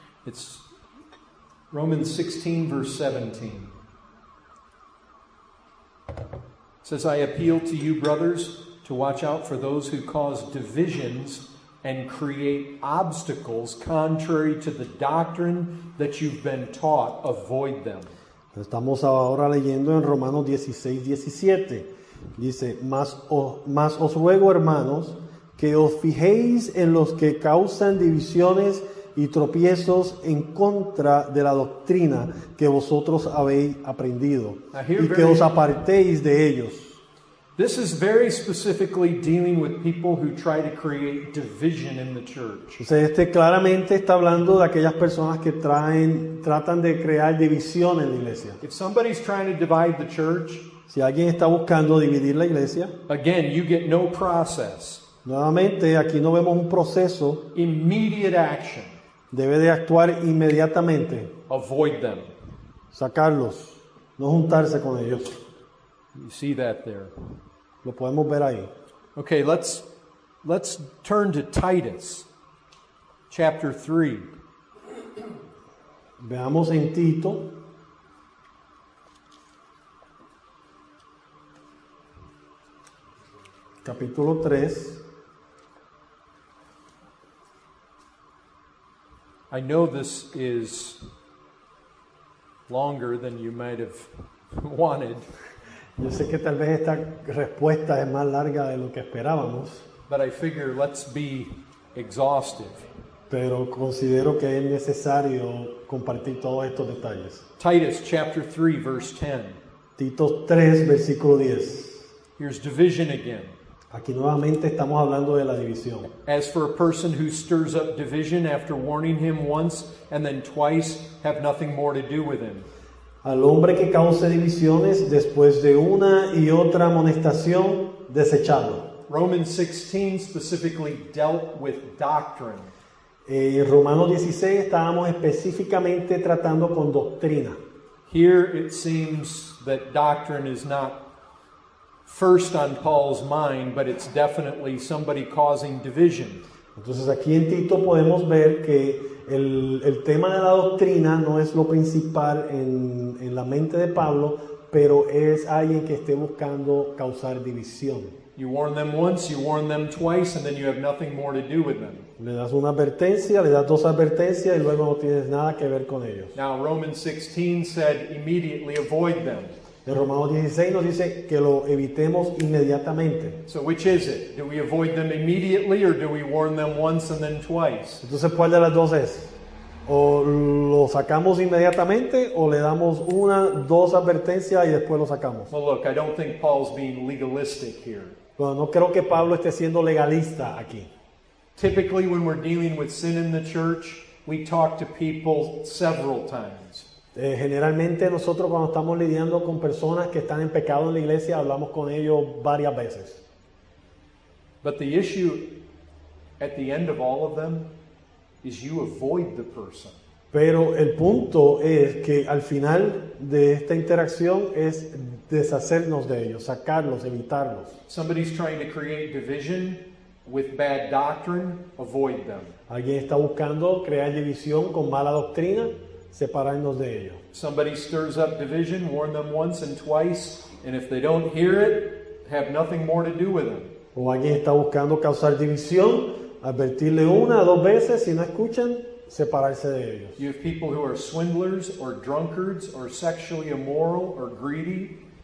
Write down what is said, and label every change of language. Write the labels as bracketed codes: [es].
[en] It's Romans 16, verse 17. It says, I appeal to you, brothers, to watch out for those who cause divisions and create obstacles contrary to the doctrine that you've been taught. Avoid them. [es] Estamos ahora leyendo en Romanos 16, 17. Dice, más os ruego, hermanos, que os fijéis en los que causan divisiones y tropiezos en contra de la doctrina que vosotros habéis aprendido y que os apartéis de ellos. [en] This is very specifically dealing with people who try to create division in the church. [es] O sea, este claramente está hablando de aquellas personas que tratan de crear división en la iglesia. [en] If somebody's trying to divide the church, [es] si alguien está buscando dividir la iglesia, [en] again, you get no process. [es] Nuevamente, aquí no vemos un proceso. [en] Immediate action. [es] Debe de actuar inmediatamente. [en] Avoid them. [es] Sacarlos. No juntarse con ellos. [en] You see that there. [es] Lo podemos ver ahí. [en] Okay, let's turn to Titus, chapter 3. [es] Veamos en Tito. Capítulo 3. [en] I know this is longer than you might have wanted. [es] Yo sé que tal vez esta respuesta es más larga de lo que esperábamos. [en] But I figure let's be exhaustive. [es] Pero considero que es necesario compartir todos estos detalles. [en] Titus chapter 3 verse 10. [es] Tito 3 versículo 10. [en] Here's division again. [es] Aquí nuevamente estamos hablando de la división. [en] As for a person who stirs up division after warning him once and then twice, have nothing more to do with him. [es] al hombre que cause divisiones después de una y otra amonestación, desechado. [en] Romans 16 specifically dealt with doctrine. [es] Romanos 16 estábamos específicamente tratando con doctrina. [en] Here it seems that doctrine is not first on Paul's mind, but it's definitely somebody causing division. [es] Entonces aquí en Tito podemos ver que el tema de la doctrina no es lo principal en la mente de Pablo, pero es alguien que esté buscando causar división. [en] You warn them once, you warn them twice, and then you have nothing more to do with them. [es] Le das una advertencia, le das dos advertencias, y luego no tienes nada que ver con ellos. [en] Now Romans 16 said immediately avoid them. [es] En Romanos 16 nos dice que lo evitemos inmediatamente. [en] So which is it? Do we avoid them immediately or do we warn them once and then twice? [es] Entonces, ¿cuál de las dos es? ¿O lo sacamos inmediatamente o le damos una, dos advertencias y después lo sacamos? [en] Well, look, I don't think Paul's being legalistic here. [es] Bueno, no creo que Pablo esté siendo legalista aquí. [en] Typically, when we're dealing with sin in the church, we talk to people several times. [es] Generalmente nosotros cuando estamos lidiando con personas que están en pecado en la iglesia hablamos con ellos varias veces. [en] But the issue at the end of all of them is you avoid the person. [es] Pero el punto es que al final de esta interacción es deshacernos de ellos, sacarlos, evitarlos. [en] Somebody's trying to create division with bad doctrine, avoid them. [es] Alguien está buscando crear división con mala doctrina, separarnos de ello. [en] Somebody stirs up division, warn them once and twice, and if they don't hear it, have nothing more to do with them. [es] O alguien está buscando causar división, advertirle una o dos veces, si no escuchan, separarse de ellos. [en] You have people who are swindlers or drunkards or sexually immoral or greedy.